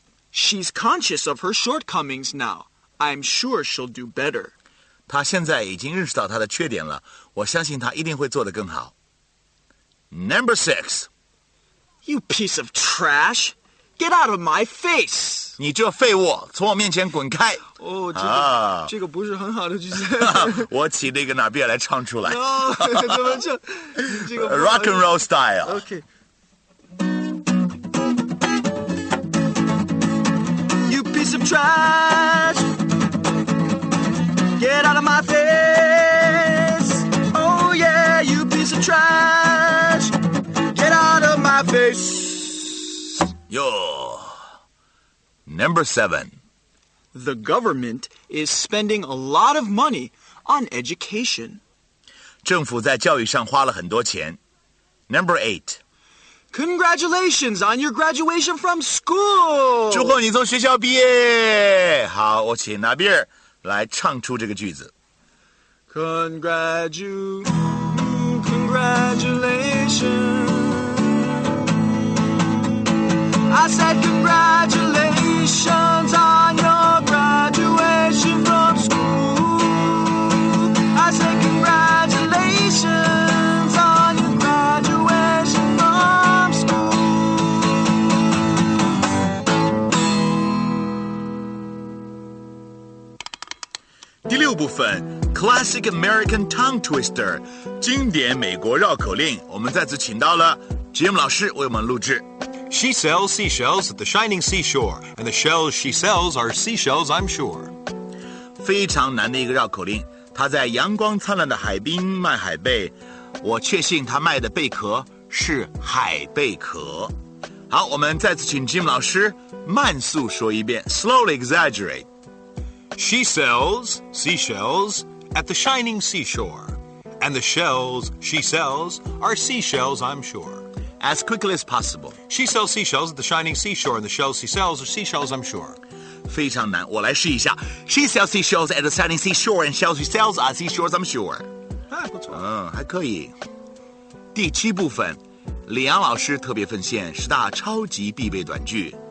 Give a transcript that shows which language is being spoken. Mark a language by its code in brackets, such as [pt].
[en] She's conscious of her shortcomings now. I'm sure she'll do better. [zh] 她现在已经认识到她的缺点了，我相信她一定会做得更好。 [en] Number six. You piece of trash. Get out of my face. [zh] 你这废物，从我面前滚开。哦，这个不是很好的句子。我请那个纳比尔来唱出来。哦、no, ，怎么唱？这个 [en] rock and roll style. Okay. You piece of trash. Get out of my face. Oh yeah, you piece of trash. Get out of my face. Yo, number seven. The government is spending a lot of money on education. [zh] 政府在教育上花了很多钱。 [en] Number eight. Congratulations on your graduation from school. [zh] 祝贺你从学校毕业。好，我请纳比尔来唱出这个句子。 [en] Congratulations. I said congratulations on your graduation from school. I said congratulations on your graduation from school. [zh] 第六部分 [en] Classic American Tongue Twister [zh] 经典美国绕口令，我们再次请到了 Jim 老师为我们录制。 [en] She sells seashells at the shining seashore, and the shells she sells are seashells, I'm sure. [zh] 非常难的一个绕口令，她在阳光灿烂的海滨卖海贝，我确信她卖的贝壳是海贝壳。好，我们再次请 Jim 老师慢速说一遍 ， [en] slowly exaggerate. She sells seashells at the shining seashore, and the shells she sells are seashells, I'm sure. As quickly as possible. She sells seashells at the shining seashore, and the shells she sells are seashells, I'm sure. [zh] 非常难，我来试一下。 She sells seashells at the shining seashore, and shells she sells are seashells, I'm sure. 还不错。嗯，还可以。第七部分，李阳老师特别奉献十大超级必备短句。